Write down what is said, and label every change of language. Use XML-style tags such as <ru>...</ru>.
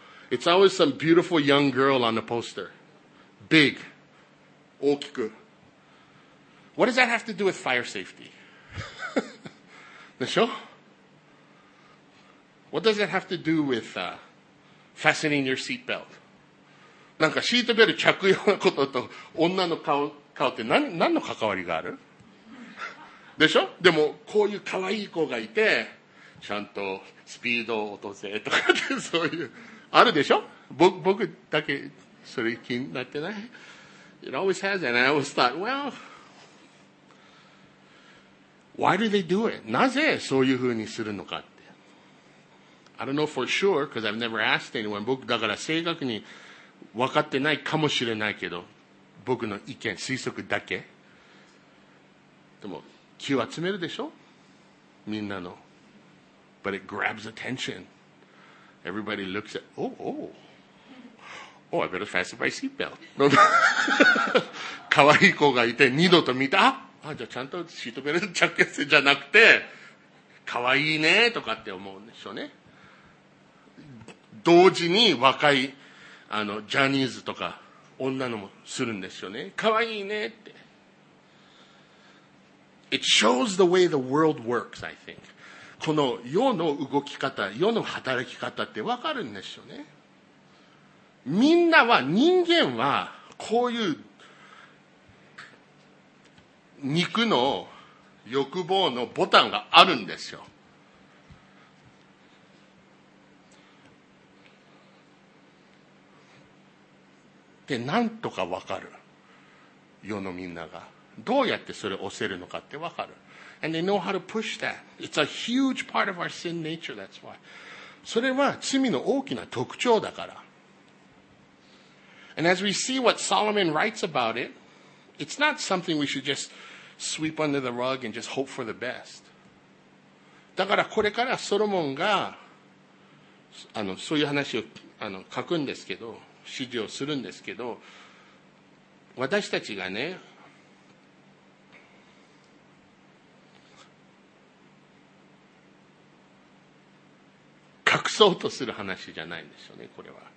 <en>It's always some beautiful young girl on the poster. Big.</en> <ja>大きく。</ja> <en>What does that have to do with fire safety?</en> <ja>でしょ？</ja> <en>What does that have to do with, fastening your seatbelt?</en> <ja>なんかシートベルト着用のことと女の顔って何の関わりがある？でしょ？でも、こういう可愛い子がいて、ちゃんとスピードを落とせとかって、そういう、あるでしょ？僕だけ、それ気になってない</ja> <en>?It always has, and I always thought, well, why do they do it?</en> <ja>なぜそういう風にするのかって。</ja> <en>I don't know for sure, because I've never asked anyone.</en> <ja>僕だから正確に分かってないかもしれないけど、僕の意見、推測だけ。でも、気を集めるでしょ？みんなの。</ja> <en>But it grabs attention. Everybody looks at, oh, oh. Oh, I better fasten my seatbelt. No, no.</en> <ja>可愛い子がいて二度と見た、あ、じゃあちゃんとシートベルト着けてじゃなくて、可愛いねとかって思うんでしょうね。同時に若いあのジャニーズとか女のもするんですよね。可愛いねって。</ja> <en>It shows the way the world works, I think.</en> <ja>この世の動き方、世の働き方ってわかるんですよね。みんなは、人間はこういう肉の欲望のボタンがあるんですよ。で、なんとかわかる。世のみんなが。どうやってそれを押せるのかってわかる。</ja> <en>And they know how to push that. It's a huge part of our sin nature, that's why.</en> <ja>それは罪の大きな特徴だから。</ja> <en>And as we see what Solomon writes about it, it's not something we should just sweep under the rug and just hope for the best.</en> <ja>だからこれからソロモンが、あの、そういう話を、あの、書くんですけど、指示をするんですけど、私たちがね、隠そうとする話じゃないんですよね、これは。</ja>